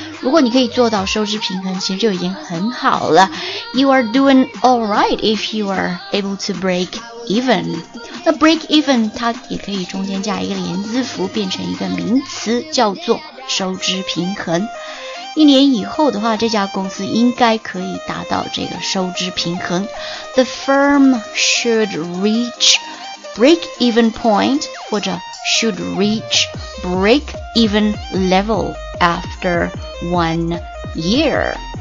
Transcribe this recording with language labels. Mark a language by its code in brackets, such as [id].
[zh] 如果你可以做到收支平衡，其实就已经很好了。 [en] You are doing alright if you are able to break even. [zh] 那 break even 它也可以中间加一个连字符，变成一个名词，叫做收支平衡。一年以后的话，这家公司应该可以达到这个收支平衡。 [en] The firm should reach break even point, [zh] 或者 [en] should reach break even level after 1 year.